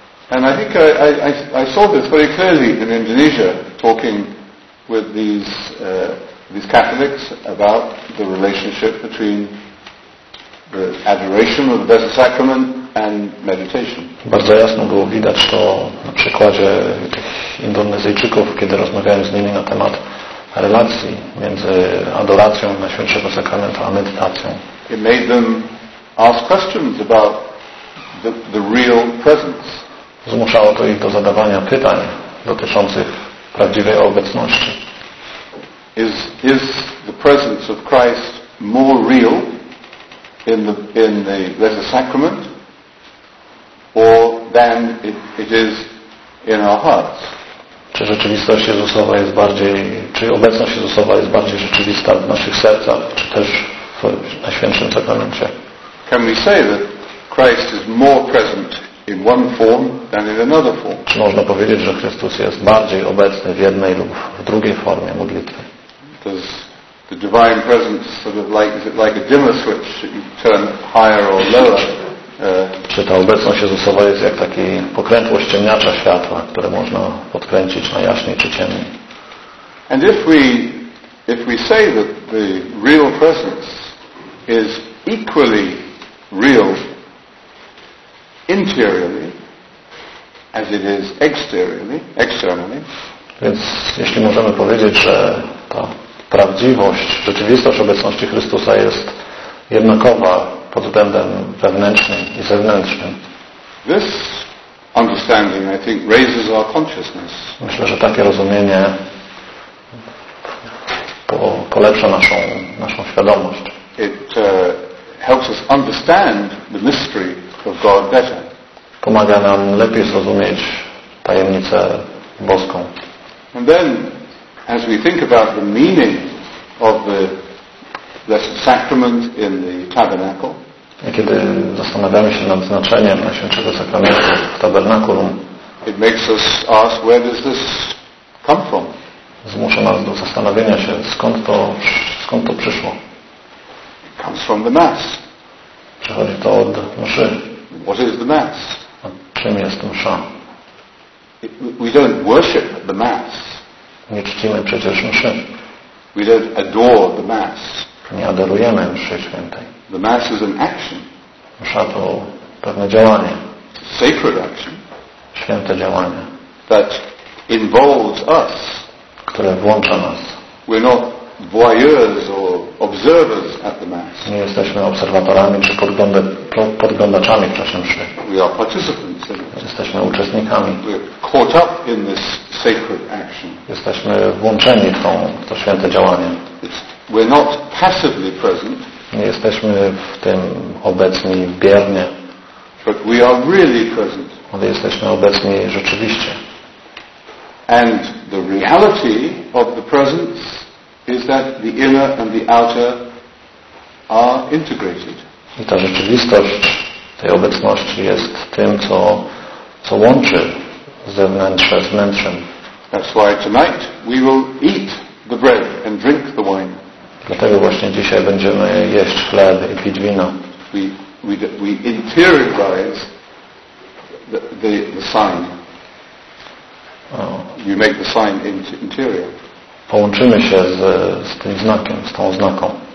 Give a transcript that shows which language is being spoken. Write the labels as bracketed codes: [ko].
[en] And I think I saw this very clearly in Indonesia, talking with these Catholics about the relationship between the adoration of the Blessed Sacrament and meditation. [pl] Bardzo jasno było widać to na przykładzie tych Indonezyjczyków, kiedy rozmawiałem z nimi na temat relacji między adoracją Najświętszego Sakramentu a medytacją. [en] It made them ask questions about the real presence. [pl] Zmuszało to ich do zadawania pytań dotyczących prawdziwej obecności. [en] Is the presence of Christ more real in the Blessed Sacrament or than it is in our hearts? [pl] Czy rzeczywistość Jezusowa jest bardziej, czy obecność Jezusowa jest bardziej rzeczywista w naszych sercach, czy też w Najświętszym Sakramencie? [en] Can we say that Christ is more present in one form than in another form? [pl] Czy można powiedzieć, że Chrystus jest bardziej obecny w jednej lub w drugiej formie modlitwy? [en] Does the divine presence sort of like, is it like a dimmer switch that you turn higher or lower? [pl] Czy ta obecność Jezusowa jest jak taki pokrętło ściemniacza światła, które można podkręcić na jaśniej czy ciemniej? [en] And if we say that the real presence is equally real interiorly as it is exteriorly, externally. [pl] Więc jeśli możemy powiedzieć, że ta prawdziwość, rzeczywistość obecności Chrystusa jest jednakowa pod względem wewnętrznym i zewnętrznym. [en] This understanding, I think, raises our consciousness. [pl] Myślę, że takie rozumienie polepsza naszą świadomość. [en] It helps us understand the mystery of God better. [pl] Pomaga nam lepiej zrozumieć tajemnicę boską. [en] And then, as we think about the meaning of the Blessed Sacrament in the Tabernacle, [pl] i kiedy zastanawiamy się nad znaczeniem Najświętszego Sakramentu w Tabernakulum, [en] it makes us ask, where does this come from? [pl] Zmusza nas do zastanowienia się, skąd to przyszło. [en] It comes from the Mass. [pl] Przychodzi to od mszy. [en] What is the Mass? [pl] A czym jest msza? [en] We don't worship the Mass. [pl] Nie czcimy przecież mszy. [en] We don't adore the Mass. [pl] Nie adorujemy mszy świętej. [en] The Mass is an action. [pl] Msza to pewne działanie. [en] Sacred action. [pl] Święte działanie. [en] That involves us. [pl] Które włącza nas. [en] We're not voyeurs or observers at the Mass. [pl] Nie jesteśmy obserwatorami czy podglądaczami w czasie mszy. [en] We are participants. [pl] Jesteśmy uczestnikami. [en] We're caught up in this sacred action. [pl] Jesteśmy włączeni w to święte działanie. [en] We're not passively present. [pl] Nie jesteśmy w tym obecni biernie. [en] But we are really present. [pl] Ale jesteśmy obecni rzeczywiście. [en] And the reality of the presence is that the inner and the outer are integrated. [pl] I ta rzeczywistość tej obecności jest tym, co łączy zewnętrzne z wnętrzem. [en] That's why tonight we will eat the bread and drink the wine. [pl] Dlatego właśnie dzisiaj będziemy jeść chleb i pić wino. [en] We interiorize the sign. You make the sign interior. [pl] Połączymy się z tym znakiem, z tą oznaką.